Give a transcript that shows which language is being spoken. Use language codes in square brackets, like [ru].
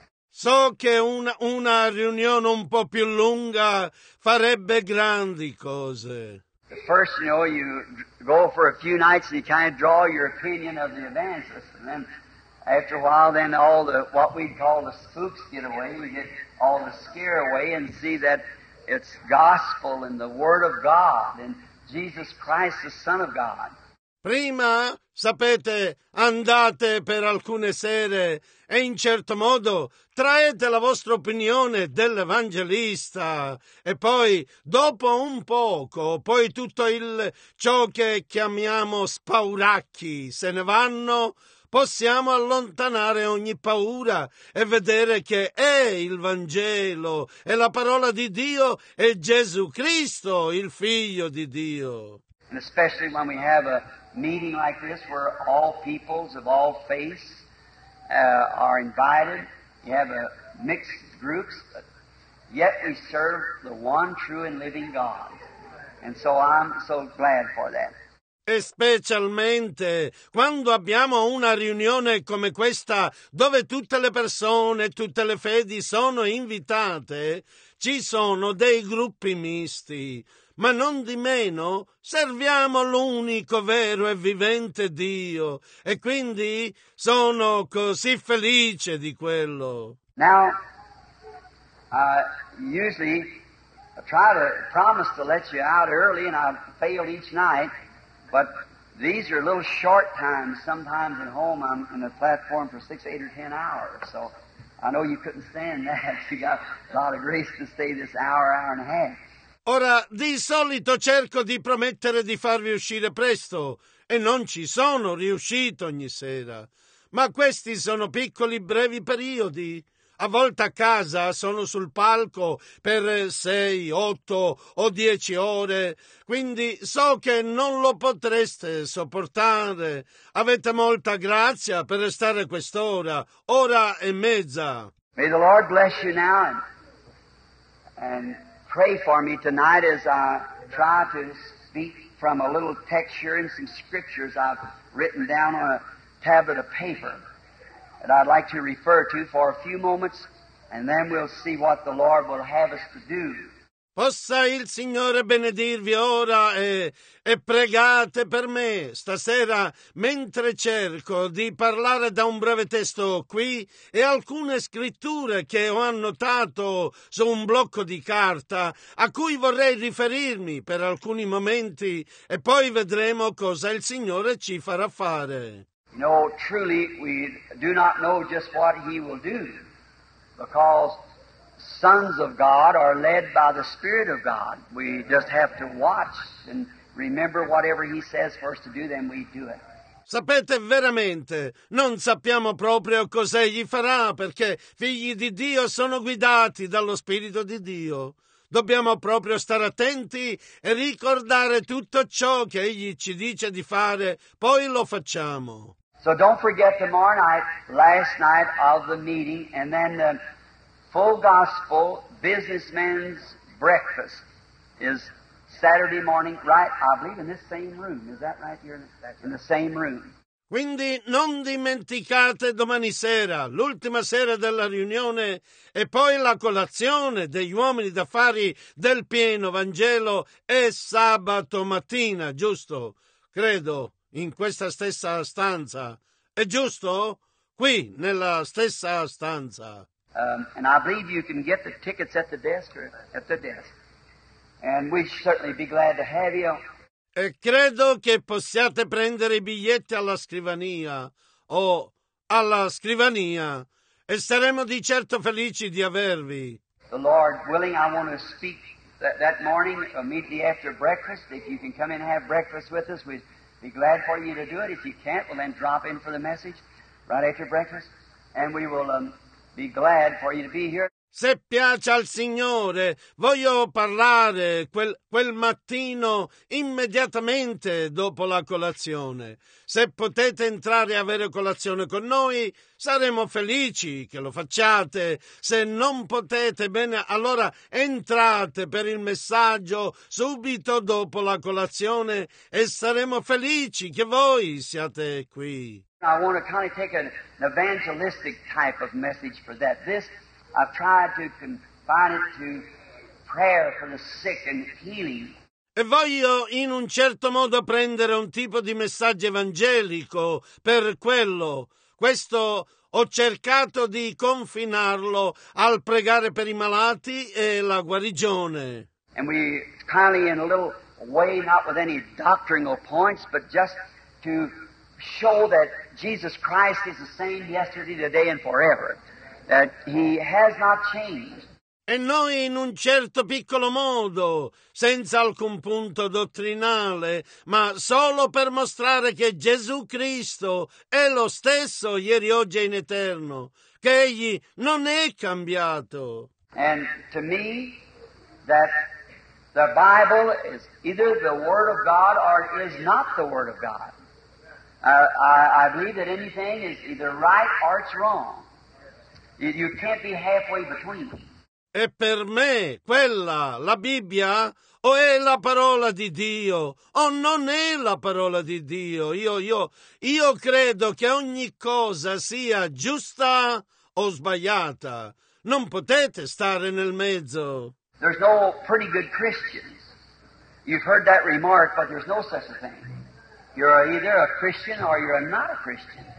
[it] So che una riunione un po' più lunga farebbe grandi cose. [en] First, you know, you go for a few nights and you kind of draw your opinion of the evangelist. And then after a while, then all the, what we'd call the spooks get away. You get all the scare away and see that it's gospel and the word of God and Jesus Christ, the Son of God. [it] Prima, sapete, andate per alcune sere e in certo modo traete la vostra opinione dell'evangelista e poi, dopo un poco, poi tutto il ciò che chiamiamo spauracchi se ne vanno, possiamo allontanare ogni paura e vedere che è il Vangelo, è la parola di Dio, è Gesù Cristo, il Figlio di Dio. [en] And especially when we have a meeting like this where all peoples of all faiths are invited. You have a mixed groups, but yet we serve the one true and living God. And so I'm so glad for that. [it] E specialmente quando abbiamo una riunione come questa dove tutte le persone, tutte le fedi sono invitate, ci sono dei gruppi misti. Ma non di meno serviamo l'unico vero e vivente Dio e quindi sono così felice di quello. [en] Now, usually I try to promise to let you out early and I failed each night, but these are a little short times. Sometimes at home I'm in a platform for 6, 8, or 10 hours, so I know you couldn't stand that. You got a lot of grace to stay this hour, hour and a half. [it] Ora, di solito cerco di promettere di farvi uscire presto e non ci sono riuscito ogni sera. Ma questi sono piccoli, brevi periodi. A volte a casa sono sul palco per 6, 8 o 10 ore, quindi so che non lo potreste sopportare. Avete molta grazia per restare quest'ora, ora e mezza. [en] May the Lord bless you now and pray for me tonight as I try to speak from a little text here and some scriptures I've written down on a tablet of paper that I'd like to refer to for a few moments, and then we'll see what the Lord will have us to do. [it] Possa il Signore benedirvi ora e pregate per me stasera mentre cerco di parlare da un breve testo qui e alcune scritture che ho annotato su un blocco di carta a cui vorrei riferirmi per alcuni momenti e poi vedremo cosa il Signore ci farà fare. [en] No, truly we do not know just what he will do because sons of God are led by the Spirit of God. We just have to watch and remember whatever he says for us to do, then we do it. [it] Sapete veramente, non sappiamo proprio cosa egli farà, perché figli di Dio sono guidati dallo Spirito di Dio. Dobbiamo proprio stare attenti e ricordare tutto ciò che egli ci dice di fare, poi lo facciamo. [en] So don't forget tomorrow night, last night of the meeting, and then the full gospel businessman's breakfast is Saturday morning, right? I believe in this same room. Is that right here? In the same room. [it] Quindi non dimenticate domani sera, l'ultima sera della riunione, e poi la colazione degli uomini d'affari del pieno Vangelo è sabato mattina, giusto? Credo in questa stessa stanza. È giusto? Qui nella stessa stanza. [en] And I believe you can get the tickets at the desk or at the desk. And we'd certainly be glad to have you. [it] E credo che possiate prendere i biglietti alla scrivania o alla scrivania e saremo di certo felici di avervi. [en] The Lord willing, I want to speak that morning immediately after breakfast. If you can come in and have breakfast with us, we'd be glad for you to do it. If you can't, we'll then drop in for the message right after breakfast. And we will be glad for you to be here. [it] Se piace al Signore, voglio parlare quel mattino immediatamente dopo la colazione. Se potete entrare a avere colazione con noi, saremo felici che lo facciate. Se non potete, bene, allora entrate per il messaggio subito dopo la colazione e saremo felici che voi siate qui. [en] I want to kind of take an evangelistic type of message for that. I've tried to confine it to prayer for the sick and healing. [it] E voglio in un certo modo prendere un tipo di messaggio evangelico per quello. Questo ho cercato di confinarlo al pregare per i malati e la guarigione. [en] And we kindly in a little way, not with any doctrinal points, but just to show that Jesus Christ is the same yesterday, today and forever. That he has not changed. [it] E noi in un certo piccolo modo, senza alcun punto dottrinale, ma solo per mostrare che Gesù Cristo è lo stesso ieri, oggi e in eterno, che egli non è cambiato. [en] And to me, that the Bible is either the Word of God or is not the Word of God. I believe that anything is either right or it's wrong. You can't be halfway between. [it] E per me, quella, la Bibbia, o è la parola di Dio, o non è la parola di Dio. Io credo che ogni cosa sia giusta o sbagliata. Non potete stare nel mezzo. [en] There's no pretty good Christians. You've heard that remark, but there's no such a thing. You're either a Christian or you're not a Christian.